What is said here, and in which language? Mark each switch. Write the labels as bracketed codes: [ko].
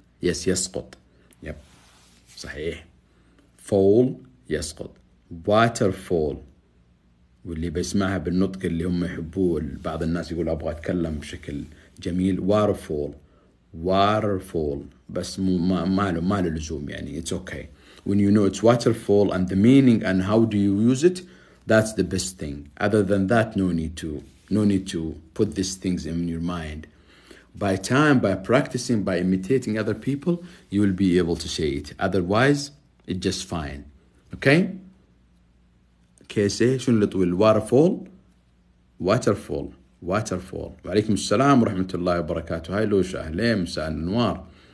[ar] yes يسقط. yep صحيح. fall يسقط. waterfall واللي بيسمعها بالنطق اللي هم يحبوه بعض الناس يقول ابغى اتكلم بشكل جميل. waterfall بس مو ما له لزوم يعني. [en] it's okay when you know it's waterfall and the meaning and how do you use it, that's the best thing. other than that no need to put these things in your mind. By time, by practicing, by imitating other people, you will be able to say it. Otherwise, it's just fine. Okay? [ar] كيسي شنو اللي طويل؟ waterfall. [en] waterfall. waterfall. [ar] وعليكم السلام ورحمة الله وبركاته. هاي لوش أهلين مساء النوار.